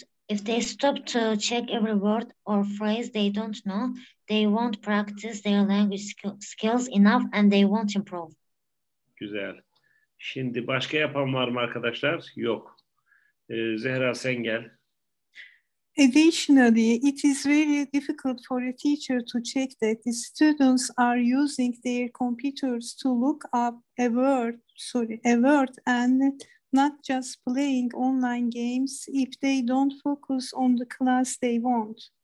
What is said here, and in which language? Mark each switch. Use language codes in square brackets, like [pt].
[en] If they stop to check every word or phrase they don't know, they won't practice their language skills enough and they won't improve. [tr] Güzel. Şimdi başka yapan var mı arkadaşlar? Yok. Zehra sen gel. [en] Additionally, it is very difficult for a teacher to check that the students are using their computers to look up a word and not just playing online games if they don't focus on the class they want.